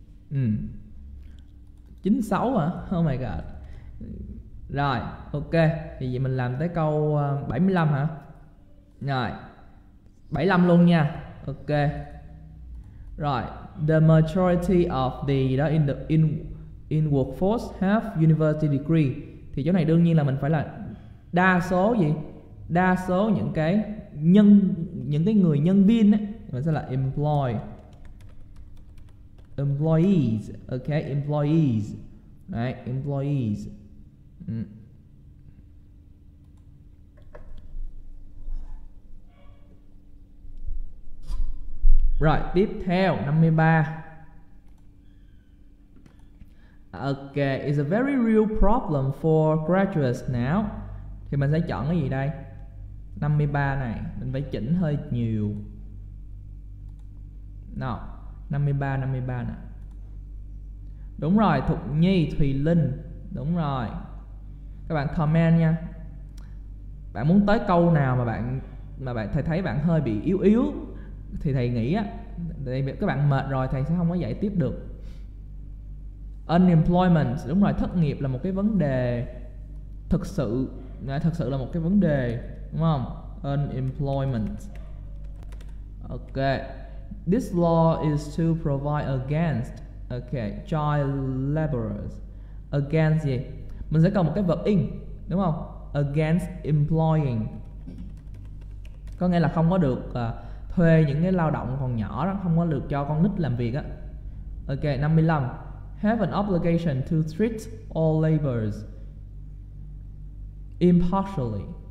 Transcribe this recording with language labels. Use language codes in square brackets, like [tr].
[vi] Ừ. 96 hả? [en] Oh my god. [vi] Rồi, ok. Thì vậy mình làm tới câu 75 hả? Rồi. 75 luôn nha. Ok. [en] Rồi, the majority of the [vi] đó [en] in workforce have university degree. [vi] Thì chỗ này đương nhiên là mình phải là đa số gì? Đa số những cái những cái người nhân viên á, mình sẽ là employ. [en] Employees, ok, employees. Đấy, employees. [vi] Rồi, tiếp theo 53. [en] Ok, it's a very real problem for graduates now. [vi] Thì mình sẽ chọn cái gì đây? 53 này, mình phải chỉnh hơi nhiều. Nào, 53, 53 nè. Đúng rồi, Thục Nhi, Thùy Linh. Đúng rồi. Các bạn comment nha. Bạn muốn tới câu nào mà bạn thầy thấy bạn hơi bị yếu yếu thì thầy nghĩ á, các bạn mệt rồi thầy sẽ không có dạy tiếp được. Unemployment, đúng rồi, thất nghiệp là một cái vấn đề thực sự là một cái vấn đề, đúng không? [en] Unemployment. Ok. This law is to provide against, okay, child laborers. Against gì? [vi] Mình sẽ cần một cái verb in, đúng không? [en] Against employing. [vi] Có nghĩa là không có được thuê những cái lao động còn nhỏ đó, không có được cho con nít làm việc á. Ok, 55. [en] have an obligation to treat all laborers impartially.